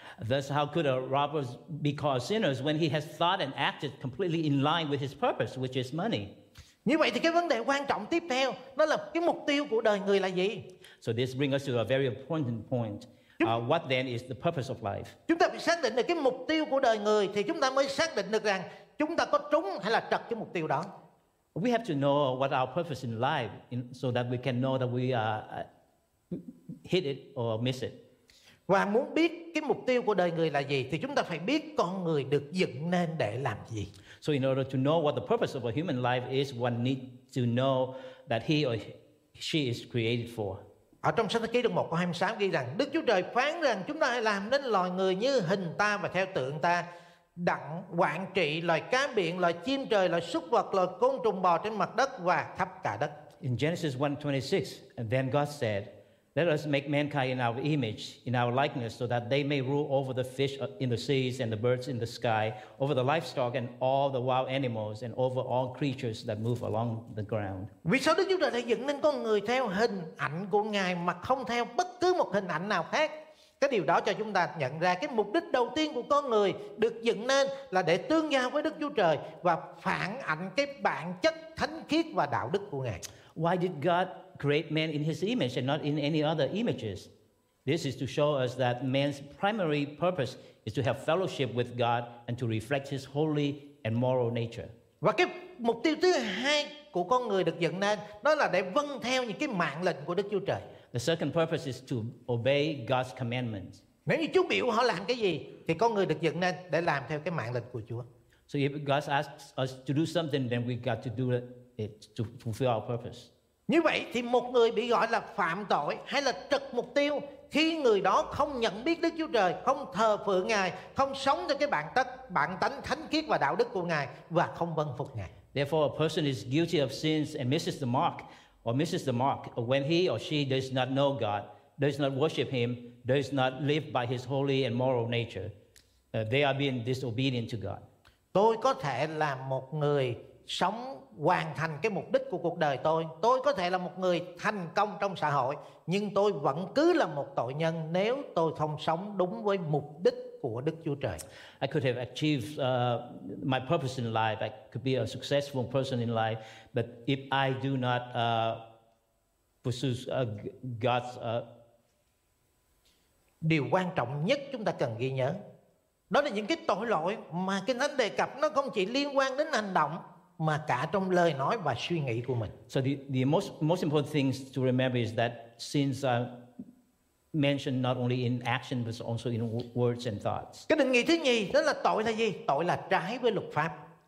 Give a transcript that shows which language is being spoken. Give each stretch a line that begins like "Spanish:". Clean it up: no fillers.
English: Thus, how could a robber be called sinners when he has thought and acted completely in line with his purpose, which is money?
Vietnamese: Như vậy thì cái vấn đề quan trọng tiếp theo, nó là cái mục tiêu của đời người là gì?
English: So this brings us to a very important point. What then is the purpose of life?
Vietnamese: Chúng ta phải xác định được cái mục tiêu của đời người thì chúng ta mới xác định được rằng chúng ta có trúng hay là trật cái mục tiêu đó.
English: We have to know what our purpose in life so that we can know that we hit it or miss it.
Vietnamese: Và muốn biết cái mục tiêu của đời người là gì thì chúng ta phải biết con người được dựng nên để làm gì.
English: So in order to know what the purpose of a human life is, one needs to know that he or she is created for.
Vietnamese: Ở trong Sách Thế Ký đoạn 1 câu 26 ghi rằng Đức Chúa Trời phán rằng chúng ta hãy làm nên loài người như hình ta và theo tượng ta, đặng quản trị loài cá biển, loài chim trời, loài súc vật, loài côn trùng bò trên mặt đất và khắp cả đất.
English: In Genesis 1:26, and then God said, let us make mankind in our image, in our likeness, so that they may rule over the fish in the seas and the birds in the sky, over the livestock and all the wild animals, and over all creatures that move along the ground.
Vietnamese: Vì sao Đức Chúa Trời đã dựng nên con người theo hình ảnh của Ngài mà không theo bất cứ một hình ảnh nào khác? Cái điều đó cho chúng ta nhận ra cái mục đích đầu tiên của con người được dựng nên là để tương giao với Đức Chúa Trời và phản ảnh cái bản chất thánh khiết và đạo đức của Ngài.
English: Why did God create man in his image and not in any other images? This is to show us that man's primary purpose is to have fellowship with God and to reflect his holy and moral nature.
Vietnamese: Và cái mục tiêu thứ hai của con người được dựng nên đó là để vâng theo những cái mạng lệnh của Đức Chúa Trời.
English: The second purpose is to obey God's commandments.
Vietnamese: Nếu như Chúa biểu họ làm cái gì thì con người được dựng nên để làm theo cái mạng lệnh của Chúa.
English: So if God asks us to do something, then we got to do it to fulfill our purpose.
Vietnamese: Như vậy thì một người bị gọi là phạm tội hay là trật mục tiêu khi người đó không nhận biết Đức Chúa Trời, không thờ phượng Ngài, không sống theo cái bản tánh thánh khiết và đạo đức của Ngài và không vâng phục Ngài.
English: Therefore, a person is guilty of sins and misses the mark when he or she does not know God, does not worship Him, does not live by His holy and moral nature. They are being disobedient to God.
Vietnamese: Tôi có thể là một người sống hoàn thành cái mục đích của cuộc đời tôi. Tôi có thể là một người thành công trong xã hội, nhưng tôi vẫn cứ là một tội nhân nếu tôi không sống đúng với mục đích của Đức Chúa Trời.
English: I could have achieved my purpose in life. I could be a successful person in life, but if I do not pursue God's
Vietnamese: Điều quan trọng nhất chúng ta cần ghi nhớ, đó là những cái tội lỗi mà Kinh Thánh đề cập nó không chỉ liên quan đến hành động mà cả trong lời nói và suy nghĩ của mình.
English: So the most important things to remember is that sins are mentioned not only in action but also in words and thoughts.
Vietnamese: Cái định nghĩa thứ nhì đó là tội là gì? Tội là trái với luật pháp.